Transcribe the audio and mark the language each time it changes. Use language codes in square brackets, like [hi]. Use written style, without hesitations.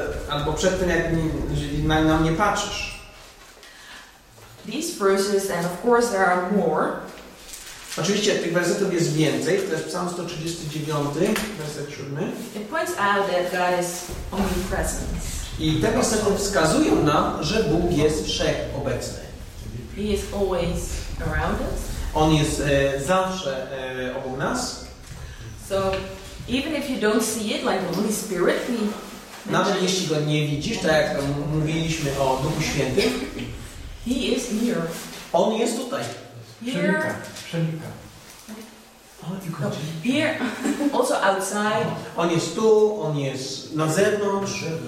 [pl] Albo przed tym, jak na mnie patrzysz. [en] These verses, and of course there are more. [pl] Oczywiście tych wersetów jest więcej. To jest Psalm 139, werset 7. [en] It points out that God is omnipresent. [pl] I te wersety wskazują nam, że Bóg jest wszechobecny. [en] He is always around us. [pl] On jest zawsze obok nas. [en] So, even if you don't see it, like the Holy Spirit, we [pl] nawet jeśli go nie widzisz, tak jak mówiliśmy o Duchu Świętym, [en] He is here. [pl] On jest tutaj. Przenika. [en] Oh, no, here, also outside. [pl] On jest tu, on jest na zewnątrz.